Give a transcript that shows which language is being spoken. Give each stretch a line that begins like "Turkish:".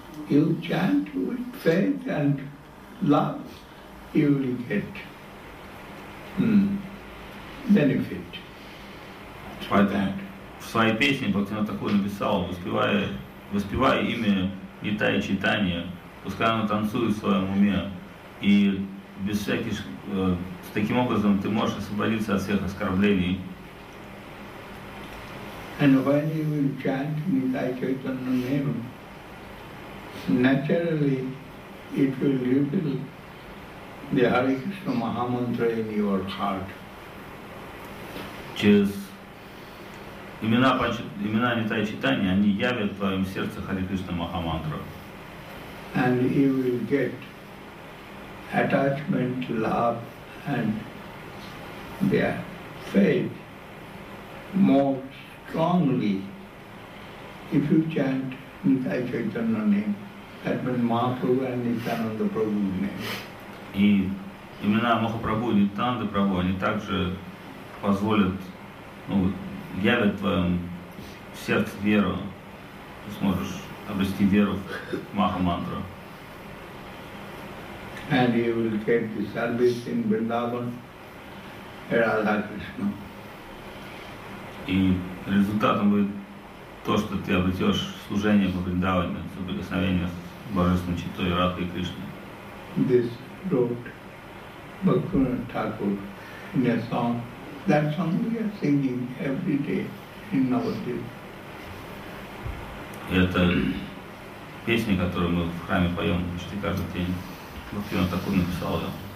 English: You chant with faith and love, you will get benefit.
Russian: Поэтому в своей песне Бхактивинода Тхакур написал, воспевая имя Нитая Чайтанья, пускай оно танцует в своем уме, и без всяких, таким образом ты можешь освободиться от всех оскорблений.
English: And when you will chant Nitai Chaitanya name, naturally it will reveal the Hare Krishna Mahamantra in your heart.
Russian: Через имена Нитай Чайтаньи, они явят в твоем сердце Харе Кришна Махамантра.
English: And you will get attachment, love and their faith more strongly if you chant Nitai Chaitanya name, that means Mahaprabhu and Nityananda Prabhu name.
Russian: И имена Махапрабху и Нитянанда Прабху, они также позволят, ну, явят в твоем сердце веру, ты сможешь обрести веру в Махамантру.
English: And you will get the service in Vrindavan, Radha Krishna.
Russian: И результатом будет то, что ты обретешь служение по Вриндаване, соприкосновение с Божественной Читой Радхой Кришной.
English: This wrote Bhaktivinoda Thakur in a song. That song we are singing every day in Navadvip.
Russian: Это песня, которую мы в храме поем почти каждый день. Бхактивинода Такур написал ее.